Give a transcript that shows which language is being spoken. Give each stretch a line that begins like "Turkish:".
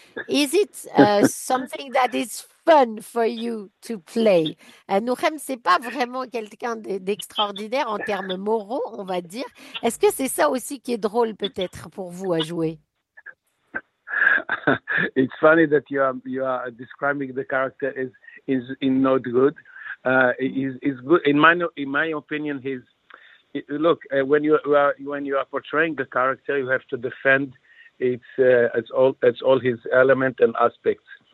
English: Is it something that is fun for you to play?
French: Nuchem, c'est pas vraiment quelqu'un d'extraordinaire en termes moraux, on va dire. Est-ce que c'est ça aussi qui est drôle peut-être pour vous à jouer?
English: It's funny that you are describing the character is not good. He's good in my opinion. He's look when you are portraying the character, you have to defend it's all his element and aspects.